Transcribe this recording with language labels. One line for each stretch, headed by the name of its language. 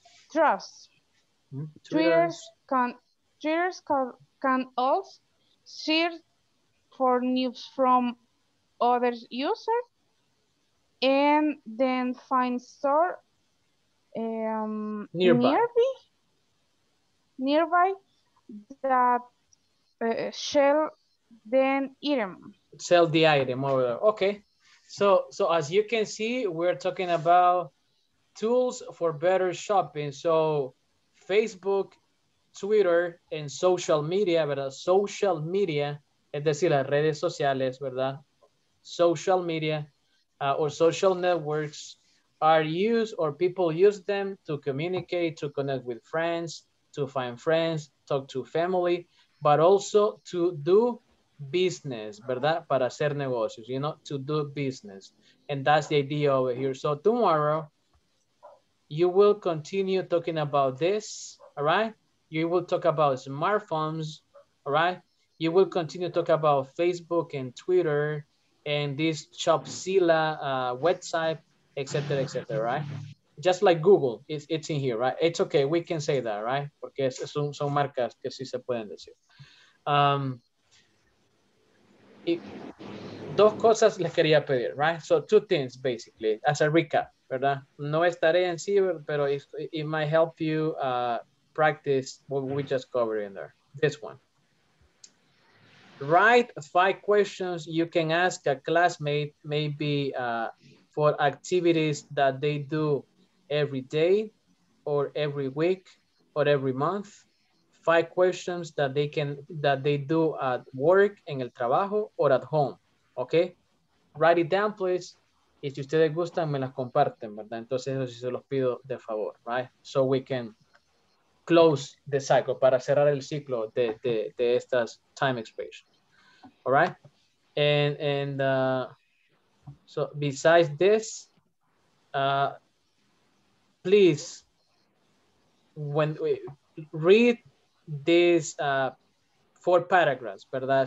English: Twitter can also share for news from other users and then find store nearby that shall then item. Sell the item over. Okay. So as you can see, we're talking about tools for better shopping. So Facebook, Twitter, and social media, ¿verdad?
Spanish: Social media, es decir, las redes sociales, ¿verdad?
English: Social media or social networks are used or people use them to communicate, to connect with friends, to find friends, talk to family, but also to do business, ¿verdad?
Spanish: Para hacer negocios,
English: you know, to do business. And that's the idea over here. So tomorrow, you will continue talking about this, all right? You will talk about smartphones, all right? You will continue to talk about Facebook and Twitter and this Shopzilla website, et cetera, right? Just like Google, it's in here, right? It's okay, we can say that, right?
Spanish: Porque son marcas que sí se pueden decir. Dos cosas les quería pedir,
English: right? So two things, basically, as a recap. ¿Verdad?
Spanish: No estaré en sí, pero
English: it might help you practice what we just covered in there. This one. Write 5 questions you can ask a classmate, maybe for activities that they do every day or every week or every month. 5 questions that they can, that they do at work,
Spanish: en el trabajo,
English: or at home. Okay? Write it down, please.
Spanish: Y si ustedes gustan, me las comparten, ¿verdad? Entonces, eso sí se los pido de favor, right?
English: So we can close the cycle,
Spanish: para cerrar el ciclo de estas
English: time expressions. All right? And so besides this, please, when we read these 4 paragraphs, ¿verdad?